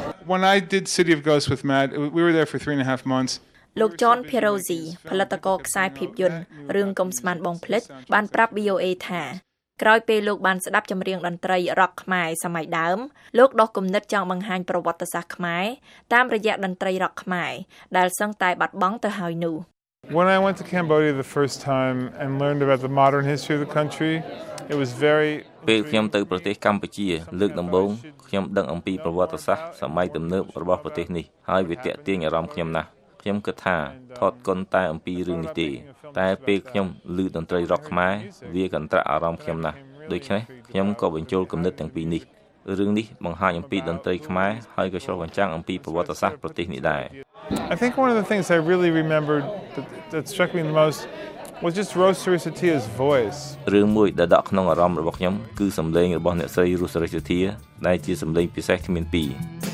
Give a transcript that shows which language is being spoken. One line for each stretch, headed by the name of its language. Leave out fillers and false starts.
English: When I did City of Ghosts with Matt we were there for 3.5 months
Khmer: លោក John Pierozzi ផលិតករខ្សែភាពយន្តរឿងកុំស្មានបងភ្លេចបានប្រាប់ BOA ថាក្រោយពេលលោកបានស្ដាប់ចម្រៀងតន្ត្រីរ៉ក់ខ្មែរសម័យដើមលោកដោះគំនិតចង់បង្ហាញប្រវត្តិសាស្ត្រខ្មែរតាមរយៈតន្ត្រីរ៉ក់ខ្មែរដែលសឹងតែបាត់បង់ទៅហើយនោះ
English: When I went to Cambodia the first time and learned about the modern history of the country it was very
Khmer: ពេលខ្ញុំទៅប្រទេសកម្ពុជាលើកដំបូងខ្ញុំដឹងអំពីប្រវត្តិសាស្ត្រសម័យទំនើបរបស់ប្រទេសនេះហើយវាទាក់ទាញអារម្មណ៍ខ្ញុំណាស់ខ្ញុំគិតថាថតគុនតែអំពីរឿងនេះទេតែពេលខ្ញុំឮតន្ត្រីរ៉ក់ខ្មែរវាកន្ត្រាក់អារម្មណ៍ខ្ញុំណាស់ដូច្នេះខ្ញុំក៏បញ្ចូលគំនិតទាំងពីរនេះរឿងនេះបង្ហាញអំពីតន្ត្រីខ្មែរហើយក៏ឆ្លុះបញ្ចាំងអំពីប្រវត្តិសាស្ត្រប្រទេសនេះដែរ
English: I think one of the things I really remembered that struck me the most was just Rose Cyrus Atia's voice
Khmer: រឿងមួយដែលដក់ក្នុងអារម្មណ៍របស់ខ្ញុំគឺសំឡេងរបស់អ្នកស្រី Rose Cyrus Atia ដែលជាសំឡេងពិសេសគ្មានពីរ